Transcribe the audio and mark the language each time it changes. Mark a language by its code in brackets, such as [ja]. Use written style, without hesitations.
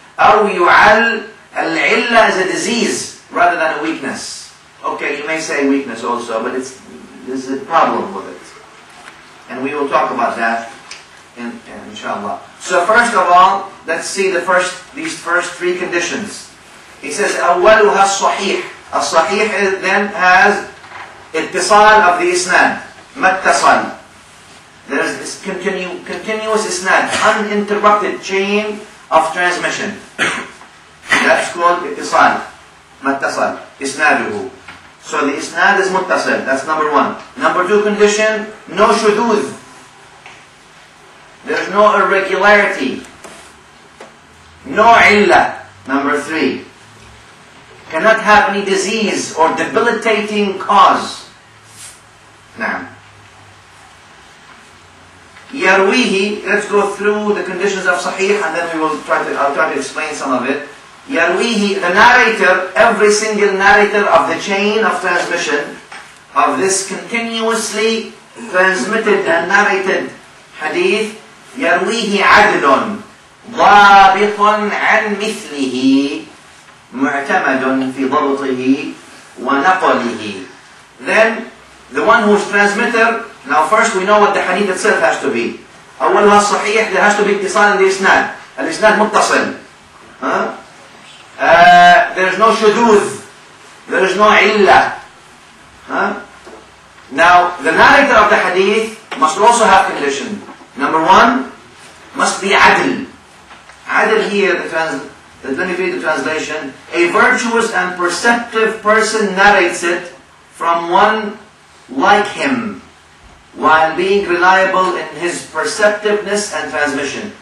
[en] أو يعل, العلة is a disease rather than a weakness. Okay, you may say weakness also, but there's a problem with it. And we will talk about that. Inshallah. So first of all, let's see these first three conditions. He says, أولها الصحيح. الصحيح then has اتصال of the إسناد. [ar] ما اتصال. [en] There is this continuous إسناد, uninterrupted chain of transmission. That's called اتصال. ما اتصال. إسناده. So the إسناد is متصل. That's number one. Number two condition, no شذوذ. There's no irregularity. No illa. Number three. Cannot have any disease or debilitating cause. Now. Yarwihi, let's go through the conditions of Sahih and then I'll try to explain some of it. Yarwihi, the narrator, every single narrator of the chain of transmission of this continuously transmitted and narrated hadith. [ar] يرويه عدل ضابط عن مثله معتمد في ضبطه ونقله. [en] Then the one who's transmitter, now first we know what the hadith itself has to be. أولها الصحيح, there has to be اتصال in the إسناد. الإسناد متصل. There's no شذوذ. There is no illa. Huh? Now, the narrator of the hadith must also have condition. Number one, must be adil. Adil here, the benefit of translation, a virtuous and perceptive person narrates it from one like him, while being reliable in his perceptiveness and transmission.